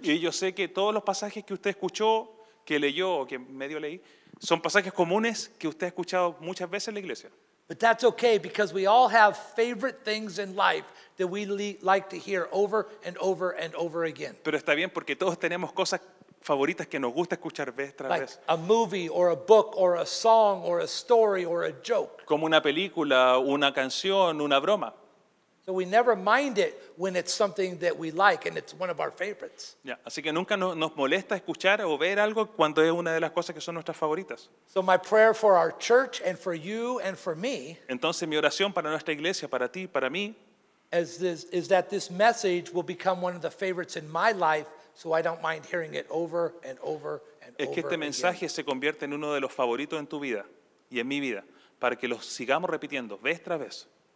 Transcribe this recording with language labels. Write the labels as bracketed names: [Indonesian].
[Spanish] Y yo sé que todos los pasajes que usted escuchó, que leyó o que medio leí, son pasajes comunes que usted ha escuchado muchas veces en la iglesia. [English] But that's okay because we all have favorite things in life that we like to hear over and over and over again. [Spanish] Pero está bien porque todos tenemos cosas favoritas que nos gusta escuchar vez tras [English] like [Spanish] vez. [English] A movie or a book or a song or a story or a joke. [Spanish] Como una película, una canción, una broma. [English] So we never mind it when it's something that we like and it's one of our favorites. [Spanish] Yeah, así que nunca nos molesta escuchar o ver algo cuando es una de las cosas que son nuestras favoritas. [English] So my prayer for our church and for you and for me. [Spanish] Entonces mi oración para nuestra iglesia, para ti, para mí, [English] is that this message will become one of the favorites in my life. So I don't mind hearing it over and over and over. [Spanish] Es que este mensaje [English] again [Spanish] se convierte en uno de los favoritos en tu vida y en mi vida para que lo sigamos repitiendo vez tras vez.